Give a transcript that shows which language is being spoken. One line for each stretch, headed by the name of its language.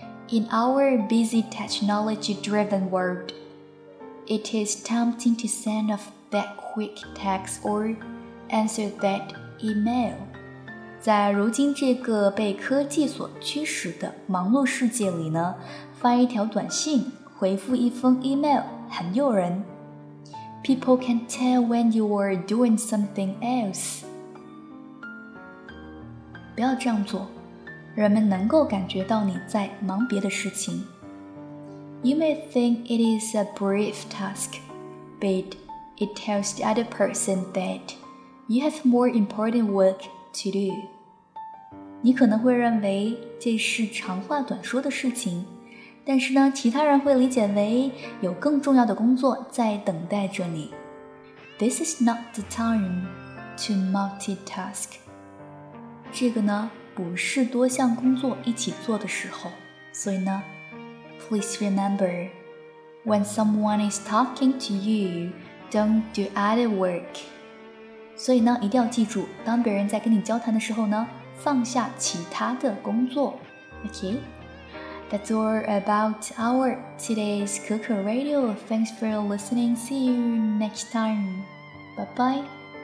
English: In our busy technology-driven world, it is tempting to send off that quick text or answer that email.
Chinese: 在如今这个被科技所驱使的忙碌世界里呢，发一条短信，回复一封 email 很诱人。
English: People can tell when you are doing something else.
Chinese: 不要这样做，人们能够感觉到你在忙别的事情。
English: You may think it is a brief task, but it tells the other person that you have more important work to do.
Chinese: 你可能会认为这是长话短说的事情，但是呢，其他人会理解为有更重要的工作在等待着你。
English: This is not the time to multitask.
Chinese: 这个呢，不是多项工作一起做的时候。所以呢
English: ，Please remember, when someone is talking to you, don't do other work.
Chinese: 所以呢，一定要记住，当别人在跟你交谈的时候呢，放下其他的工作。
English: Okay, that's all about our today's Kuku Radio. Thanks for listening. See you next time. Bye bye.